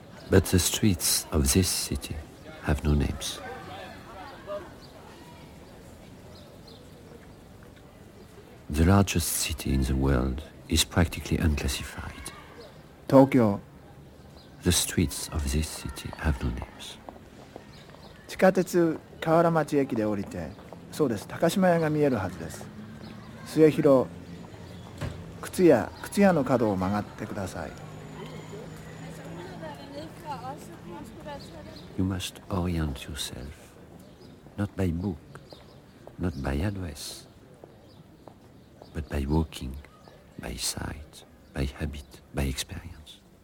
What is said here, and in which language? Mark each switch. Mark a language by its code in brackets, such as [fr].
[en] But the streets of this city have no names. The largest city in the world is practically unclassified. Tokyo. The streets of this city have no names. [ja] 地下鉄河原町駅で降りて、そうです、高島屋が見えるはずです。末広、靴屋の角を曲がってください。 [en] You must orient yourself, not by book, not by address, but by walking, by sight, by habit, by experience.